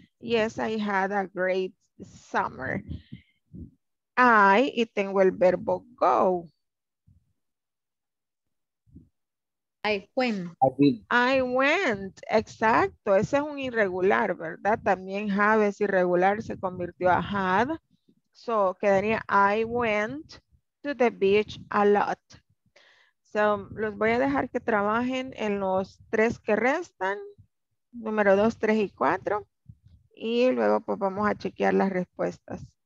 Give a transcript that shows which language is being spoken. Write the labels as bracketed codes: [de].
[en] Yes, I had a great summer. I, [es] y tengo el verbo [en] go. I went. I went. [es] Exacto. Ese es un irregular, ¿verdad? También have es irregular, se convirtió a had. [en] So, [es] quedaría [en] I went to the beach a lot. [es] So, los voy a dejar que trabajen en los tres que restan. Número 2, 3 y 4. Y luego pues vamos a chequear las respuestas.